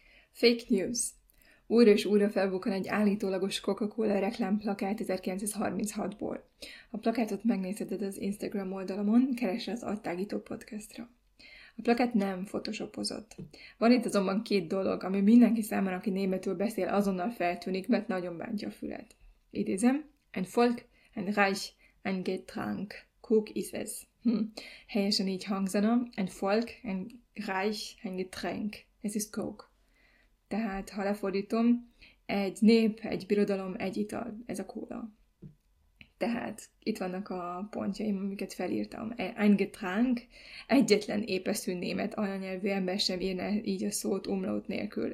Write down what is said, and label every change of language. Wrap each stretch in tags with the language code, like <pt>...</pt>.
<hu>Fake news. Újra és újra felbukkan egy állítólagos Coca-Cola reklámplakát 1936-ból. A plakátot megnézheted az Instagram oldalamon, keresse az Attágító podcastra. A plakát nem photoshopozott. Van itt azonban két dolog, ami mindenki számára, aki németül beszél, azonnal feltűnik, mert nagyon bántja a fület.</hu> <de>Idézem, ein Volk, ein Reich, ein Getränk, Coke is es.</de> <hu>Helyesen így hangzana,</hu> <de>ein Volk, ein Reich, ein Getränk, es ist Coke.</de> <hu>Tehát, ha lefordítom, egy nép, egy birodalom, egy ital, ez a kóla. Tehát, itt vannak a pontjaim, amiket felírtam.</hu> <de>Ein Getränk,</de> <hu>egyetlen épeszű német anyanyelvű ember sem írne így a szót umlaut nélkül.</hu>